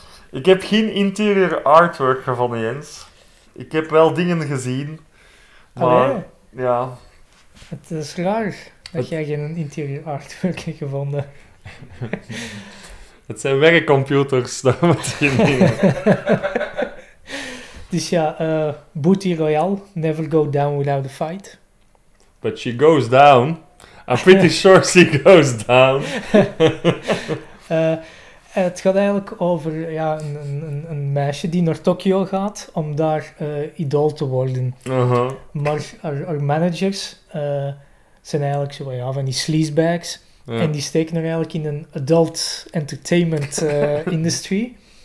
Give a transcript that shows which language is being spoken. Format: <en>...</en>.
<nl>Ik heb geen interior artwork gevonden, Jens. Ik heb wel dingen gezien. Maar, het is raar. Dat jij geen interior artwork hebt gevonden. Het zijn werkcomputers, dat moet je niet.</nl> <en>Dus ja, Booty Royale, never go down without a fight. But she goes down. I'm pretty sure she goes down.</en> <nl>Het gaat eigenlijk over ja, een meisje die naar Tokio gaat om daar idool te worden. Uh-huh. Maar haar managers zijn eigenlijk zo, ja, van die sleazebags. Ja. En die steken haar eigenlijk in een adult entertainment industry.</nl>